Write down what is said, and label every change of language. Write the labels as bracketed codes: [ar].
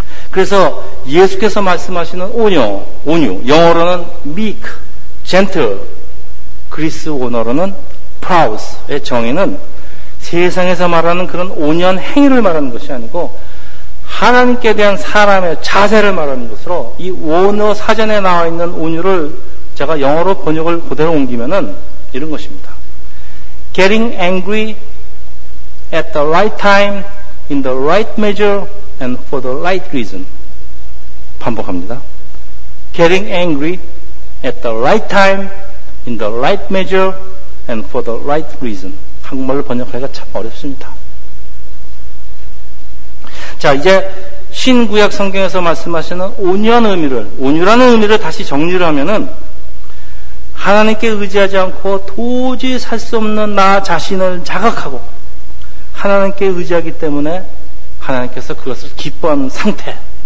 [ko] 그래서 예수께서 말씀하시는 온유, 영어로는 meek, gentle, 그리스 원어로는 prous의 정의는 세상에서 말하는 그런 온유한 행위를 말하는 것이 아니고 하나님께 대한 사람의 자세를 말하는 것으로, 이 원어 사전에 나와 있는 온유를 제가 영어로 번역을 그대로 옮기면은 이런 것입니다. [en] Getting angry at the right time, in the right measure, and for the right reason. [ko] 반복합니다. [en] Getting angry at the right time, in the right measure, and for the right reason. [ko] 한국말로 번역하기가 참 어렵습니다. 자, 이제 신구약 성경에서 말씀하시는 온유한 의미를, 온유라는 의미를 다시 정리를 하면은, 하나님께 의지하지 않고 도저히 살 수 없는 나 자신을 자각하고 하나님께 의지하기 때문에 하나님께서 그것을 기뻐하는 상태.